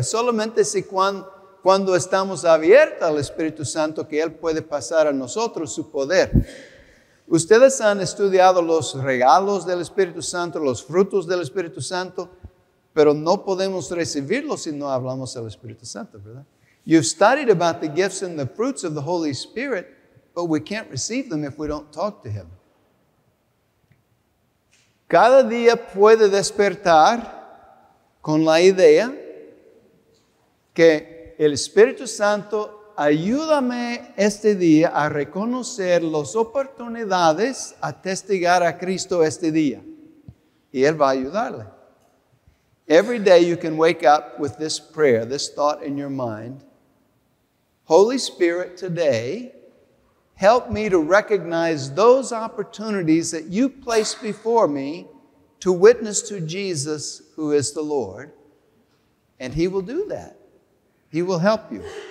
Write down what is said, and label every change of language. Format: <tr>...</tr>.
<es>Es solamente si cuando estamos abiertos al Espíritu Santo que Él puede pasar a nosotros su poder. Ustedes han estudiado los regalos del Espíritu Santo, los frutos del Espíritu Santo, pero no podemos recibirlos si no hablamos del Espíritu Santo, ¿verdad?</es> <en>You've studied about the gifts and the fruits of the Holy Spirit, but we can't receive them if we don't talk to Him.</en> <es>Cada día puede despertar con la idea que el Espíritu Santo, ayúdame este día a reconocer las oportunidades a testificar a Cristo este día. Y Él va a ayudarle.</es> <en>Every day you can wake up with this prayer, this thought in your mind. Holy Spirit, today, help me to recognize those opportunities that you place before me to witness to Jesus, who is the Lord. And He will do that. He will help you.</en>